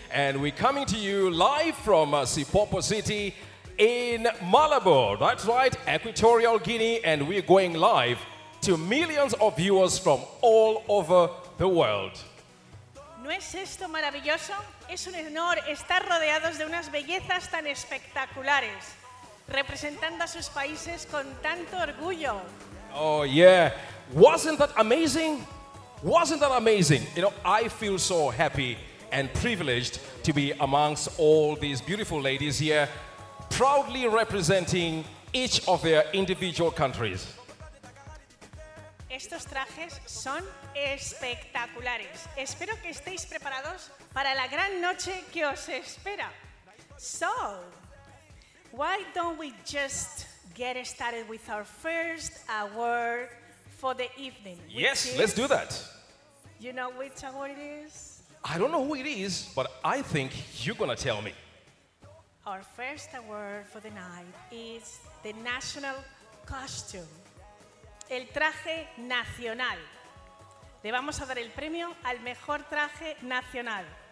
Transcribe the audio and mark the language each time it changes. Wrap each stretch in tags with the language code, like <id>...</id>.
<en>And we're coming to you live from Sipopo City in Malabo. That's right, Equatorial Guinea, and we're going live to millions of viewers from all over the world.</en> <es>¿No es esto maravilloso? Es un honor estar rodeados de unas bellezas tan espectaculares, representando a sus países con tanto orgullo.</es> <en>Oh yeah, wasn't that amazing? Wasn't that amazing? You know, I feel so happy and privileged to be amongst all these beautiful ladies here, proudly representing each of their individual countries.</en> <es>Estos trajes son espectaculares. Espero que estéis preparados para la gran noche que os espera.</es> <en>So, why don't we just get started with our first award for the evening? Yes, let's do that. You know which award it is? I don't know who it is, but I think you're gonna tell me. Our first award for the night is the national costume.</en> <es>El traje nacional. Le vamos a dar el premio al mejor traje nacional.</es>